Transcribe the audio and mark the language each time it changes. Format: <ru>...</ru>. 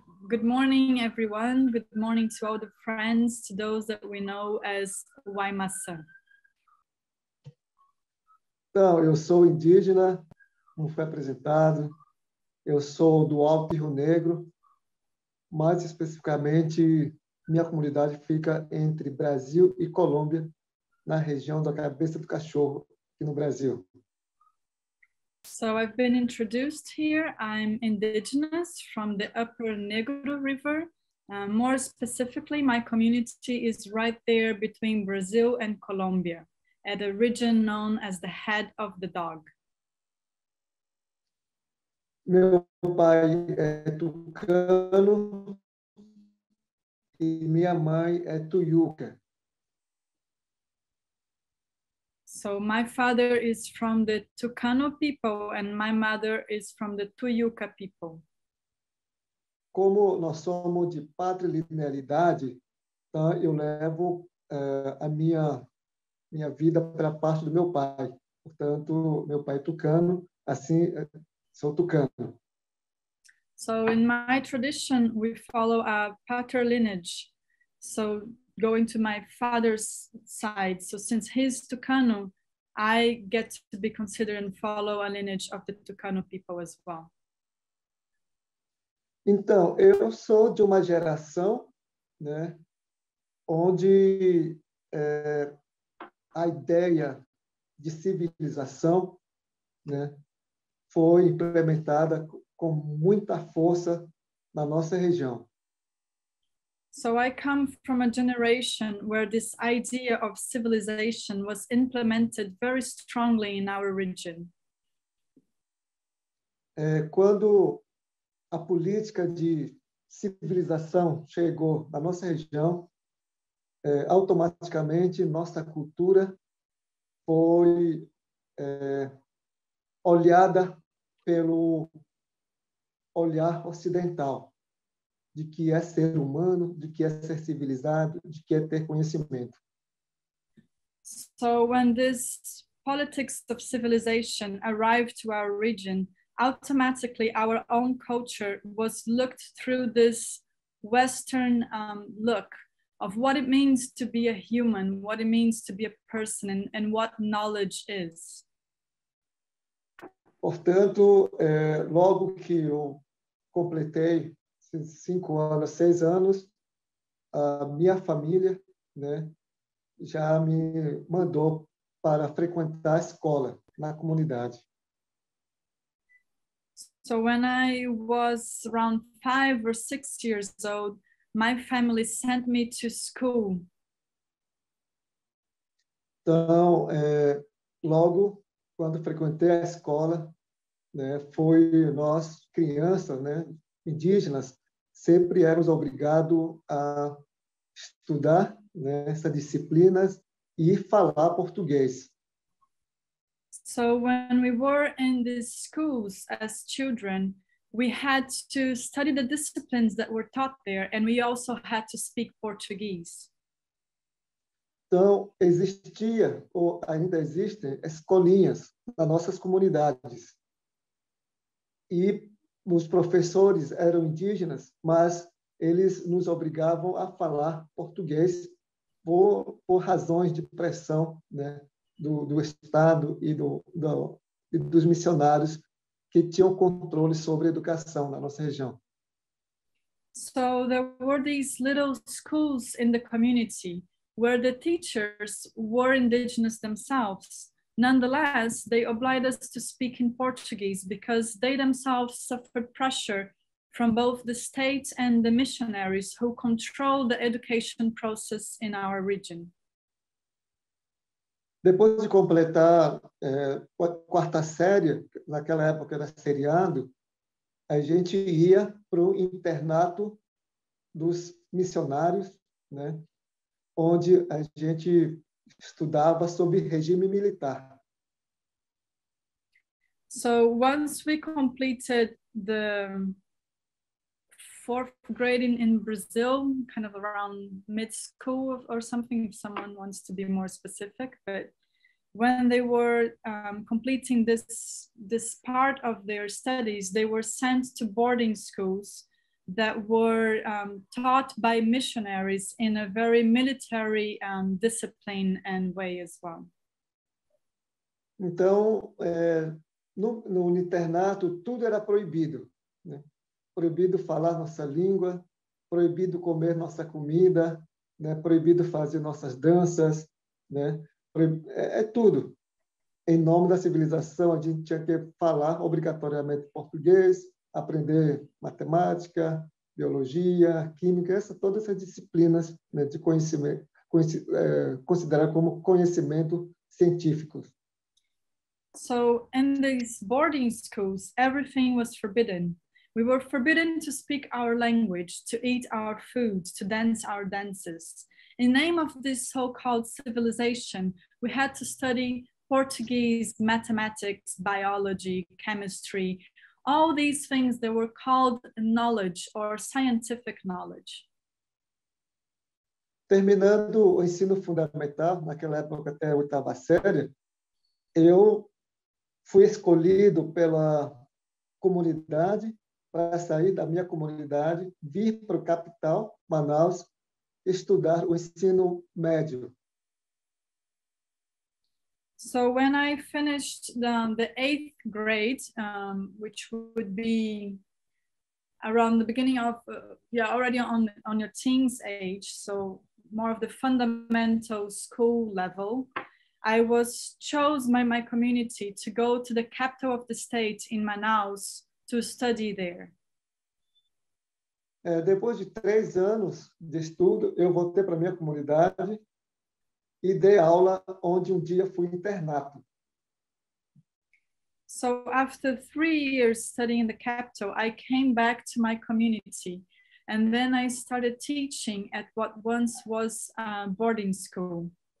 <en>Good morning, everyone. Good morning to all the friends, to those that we know as Waimasan.</en> <pt>Então, eu sou indígena, como foi apresentado. Eu sou do Alto Rio Negro, mais especificamente, minha comunidade fica entre Brasil e Colômbia, na região da Cabeça do Cachorro, aqui no Brasil.</pt> <en>So I've been introduced here. I'm indigenous from the Upper Negro River. More specifically, my community is right there between Brazil and Colombia, at a region known as the Head of the Dog.</en> <pt>Meu pai é tucano e minha mãe é tuiuca.</pt> <en>So my father is from the Tucano people and my mother is from the Tuyuca people.</en> <pt>Como nós somos de patrilinearidade, tá, eu levo a minha vida para a parte do meu pai. Portanto, meu pai é tucano, assim, sou tucano.</pt> <en>So in my tradition, we follow a patrilineage. So going to my father's side. So since he's Tucano, I get to be considered and follow a lineage of the Tucano people as well.</en> <pt>Então, eu sou de uma geração, né, onde é, a ideia de civilização, né, foi implementada com muita força na nossa região.</pt> <en>So I come from a generation where this idea of civilization was implemented very strongly in our region.</en> <pt>É, quando a política de civilização chegou na nossa região, é, automaticamente nossa cultura foi é, olhada pelo olhar ocidental, de que é ser humano, de que é ser civilizado, de que é ter conhecimento.</pt> <en>So when this politics of civilization arrived to our region, automatically our own culture was looked through this Western look of what it means to be a human, what it means to be a person, and what knowledge is.</en> <pt>Portanto, é, logo que eu completei 5 anos, 6 anos, a minha família, né, já me mandou para frequentar a escola na comunidade.</pt> <en>So when I was around 5 or 6 years old, my family sent me to school.</en> <pt>Então, é, logo quando frequentei a escola, né, foi nós crianças, né, indígenas, sempre éramos obrigados a estudar, né, essas disciplinas e falar português.</pt> <en>So when we were in these schools as children, we had to study the disciplines that were taught there, and we also had to speak Portuguese.</en> <pt>Então, existia, ou ainda existem, escolinhas nas nossas comunidades. E os professores eram indígenas, mas eles nos obrigavam a falar português por razões de pressão, né, do Estado e dos missionários que tinham controle sobre a educação na nossa região.</pt> <en>So there were these little schools in the community where the teachers were indigenous themselves. Nonetheless, they obliged us to speak in Portuguese because they themselves suffered pressure from both the state and the missionaries who control the education process in our region.</en> <pt>Depois de completar a quarta série, naquela época era seriado, a gente ia para o internato dos missionários, né, onde a gente estudava sobre regime militar.</pt> <en>So once we completed the fourth grade in Brazil, kind of around mid school or something, if someone wants to be more specific, but when they were completing this part of their studies, they were sent to boarding schools that were taught by missionaries in a very military discipline and way as well.</en> <pt>Então, no internato, tudo era proibido, né? Proibido falar nossa língua, proibido comer nossa comida, né? Proibido fazer nossas danças, né? É tudo. Em nome da civilização, a gente tinha que falar obrigatoriamente português, aprender matemática, biologia, química, todas essas disciplinas, né, de conhecimento, considerar como conhecimento científico.</pt> <en>So in these boarding schools, everything was forbidden. We were forbidden to speak our language, to eat our food, to dance our dances. In name of this so-called civilization, we had to study Portuguese, mathematics, biology, chemistry, all these things that were called knowledge or scientific knowledge.</en> <pt>Terminando o ensino fundamental, naquela época até a oitava série, eu fui escolhido pela comunidade para sair da minha comunidade, vir para a capital, Manaus, estudar o ensino médio.</pt> <en>So when I finished the eighth grade, which would be around the beginning of, already on your teens age, so more of the fundamental school level, I was chosen by my community to go to the capital of the state in Manaus to study there.</en> <pt>Depois de 3 anos de estudo, eu voltei para minha comunidade e dei aula onde dia fui internado.</pt> <en>So after 3 years studying in the capital, I came back to my community and then I started teaching at what once was a boarding school.</en>